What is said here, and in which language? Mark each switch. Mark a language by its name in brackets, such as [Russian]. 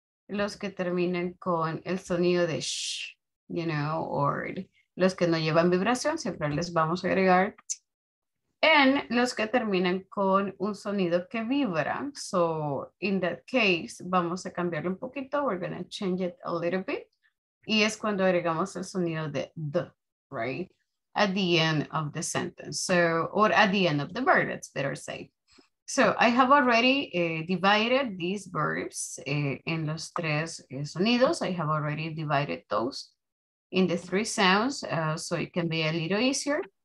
[Spanish] Los que terminen con el sonido de sh, [English] you know, [Spanish] or los que no llevan vibración, siempre les vamos a agregar. And los que terminan con un sonido que vibra. So in that case, vamos a cambiarlo un poquito. [English] We're going to change it a little bit. [Spanish] Y es cuando agregamos el sonido de d, right? [English] At the end of the sentence. So, or at the end of the verb, let's better say. So I have already divided these verbs in [Spanish] los tres sonidos. [English] I have already divided those in the three sounds, so it can be a little easier.